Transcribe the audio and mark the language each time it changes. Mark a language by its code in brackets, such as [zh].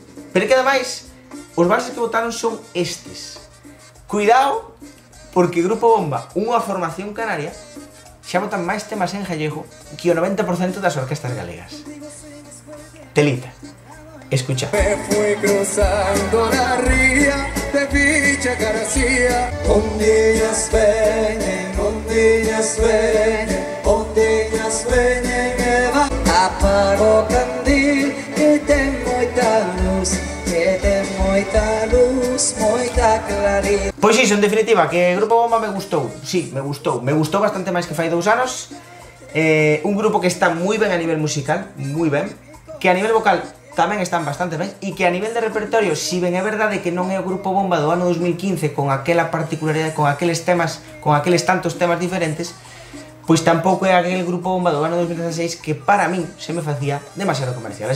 [gl] Pero que ademais, os valses que votaron son estes. Cuidado, porque Grupo Bomba, unha formación canaria, xa votan máis temas en gallego que o 90% das orquestas galegas. Telita. [es] Escucha. Me fui cruzando la ría de Villa García. Ondillas vienen, ondillas vienen, ondillas vienen, me va. Apago candil, que tengo moita luz, que tengo moita luz, moita claridad. Pues sí, en definitiva, que Grupo Bomba me gustó. Sí, me gustó. Me gustó bastante más que fai dos años. Un grupo que está muy bien a nivel musical, muy bien. Que a nivel vocal también están bastante bien. Y que a nivel de repertorio, si bien es verdad de que no es el Grupo Bomba del año 2015 con aquella particularidad, con aquellos temas, con aquellos tantos temas diferentes, pues tampoco es aquel Grupo Bomba del año 2016 que para mí se me hacía demasiado comercial.